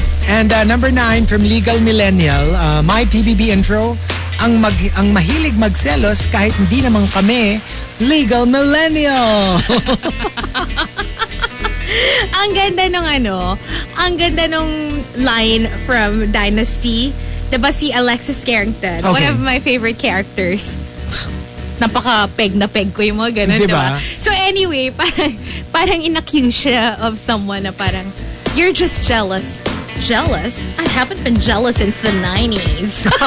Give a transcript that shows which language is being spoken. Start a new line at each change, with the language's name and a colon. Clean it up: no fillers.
English: And number 9 from Legal Millennial, my PBB intro,
Filipino: ang mahilig magselos kahit hindi naman kami,
English: Legal Millennial.
Filipino: Ang ganda nung line from Dynasty, diba si Alexis Carrington,
English: okay. One of my favorite characters.
Filipino: Napaka-peg na peg ko yung mga ganun, diba?
English: So anyway,
Filipino: parang in-accuse siya
English: of someone na parang, you're just jealous. Jealous? I haven't been jealous since the 90s.